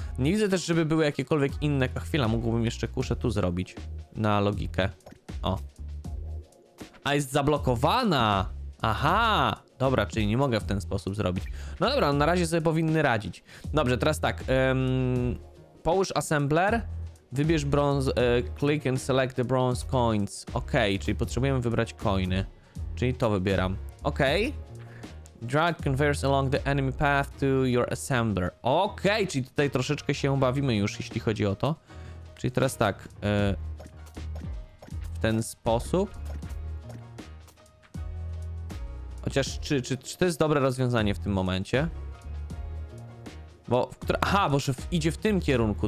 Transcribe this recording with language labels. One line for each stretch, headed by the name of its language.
Polish: Nie widzę też, żeby były jakiekolwiek inne. A chwila, mógłbym jeszcze kuszę tu zrobić. Na logikę. O. A jest zablokowana. Aha. Dobra, czyli nie mogę w ten sposób zrobić. No dobra, no na razie sobie powinny radzić. Dobrze, teraz tak. Połóż assembler. Wybierz bronze.
English: Click and select the bronze coins.
Polish: Ok, czyli potrzebujemy wybrać coiny. Czyli to wybieram. Ok.
English: Drag converse along the enemy path to your assembler.
Polish: Okej, czyli tutaj troszeczkę się bawimy już, jeśli chodzi o to. Czyli teraz tak. W ten sposób. Chociaż, czy to jest dobre rozwiązanie w tym momencie? Bo, idzie w tym kierunku.